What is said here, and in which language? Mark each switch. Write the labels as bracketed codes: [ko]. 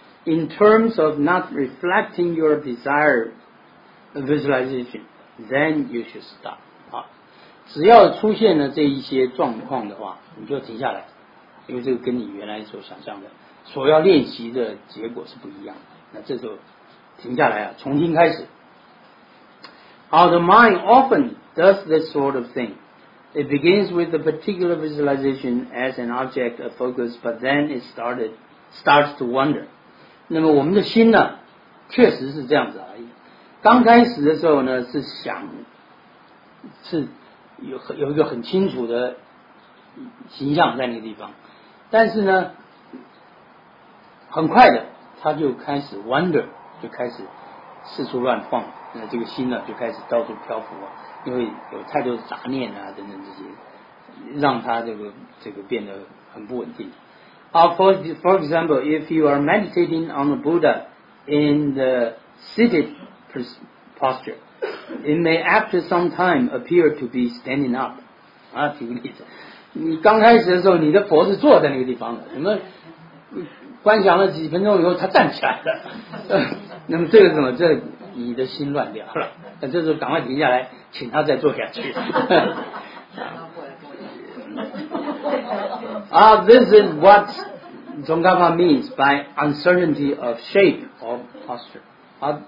[en] In terms of not reflecting your desired visualization, then you should stop. [zh] 只要出现了这一些状况的话，你就停下来，因为这个跟你原来所想象的、所要练习的结果是不一样的。那这时候停下来啊，重新开始。 [en] Now, the mind often does this sort of thing. It begins with a particular visualization as an object of focus, but then it starts to wander. [zh] 那么我们的心呢，确实是这样子而已。刚开始的时候呢，是想，是有一个很清楚的形象在那个地方，但是呢，很快的，他就开始 wander, 就开始四处乱晃，那这个心呢，就开始到处漂浮啊，因为有太多的杂念啊等等这些，让他这个变得很不稳定。 [en] For example, if you are meditating on the Buddha in the seated posture, it may after some time appear to be standing up. [zh] 啊，举个例子，你刚开始的时候，你的佛是坐在那个地方的，什么观想了几分钟以后，他站起来了。那么这个什么，这你的心乱掉了。那这时候赶快停下来，请他再坐下去。 [en] This is what Tsongkhapa means by uncertainty of shape or posture.